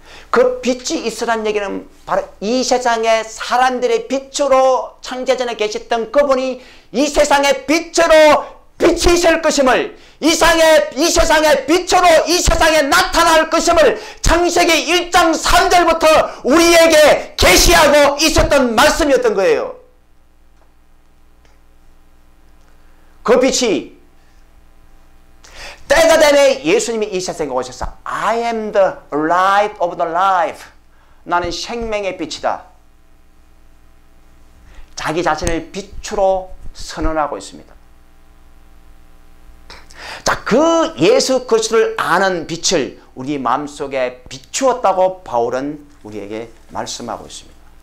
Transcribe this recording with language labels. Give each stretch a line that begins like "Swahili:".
Korean: 그 빛이 있으라는 얘기는 바로 이 세상에 사람들의 빛으로 창세전에 계셨던 그분이 이 세상의 빛으로 빛이실 것임을, 이 세상의 빛으로 이 세상에 나타날 것임을 창세기 1장 3절부터 우리에게 계시하고 있었던 말씀이었던 거예요. 그 빛이 때가 되매 예수님이 이 세상에 오셨어.
English: I am the light of the life.
Korean: 나는 생명의 빛이다. 자기 자신을 빛으로 선언하고 있습니다. 자, 그 예수 그리스도를 아는 빛을 우리 마음속에 비추었다고 바울은 우리에게 말씀하고 있습니다.